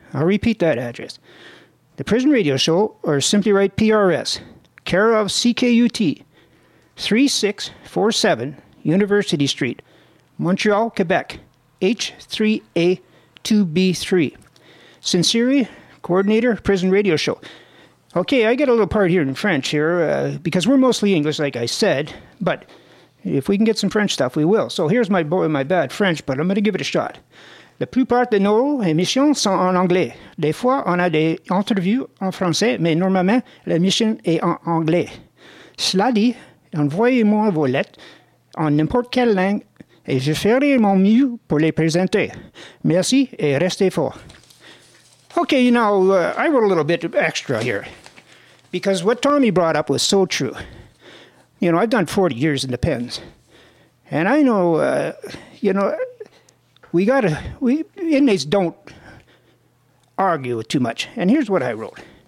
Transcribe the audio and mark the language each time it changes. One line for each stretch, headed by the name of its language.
English: I'll repeat that address. The Prison Radio Show, or simply write PRS, care of CKUT, 3647 University Street, Montreal, Quebec, H3A2B3. Sincerely, Coordinator, Prison Radio Show. Okay, I get a little part here in French here, because we're mostly English, like I said, but if we can get some French stuff, we will. So here's my boy, my bad French, but I'm going to give it a shot.
French: La plupart de nos émissions sont en anglais. Des fois, on a des entrevues en français, mais normalement, l'émission est en anglais. Cela dit, envoyez-moi vos lettres en n'importe quelle langue et je ferai mon mieux pour les présenter. Merci et restez fort.
English: Okay, you know, I wrote a little bit extra here, because what Tommy brought up was so true. You know, I've done 40 years in the pens, and I know, inmates don't argue too much. And here's what I wrote.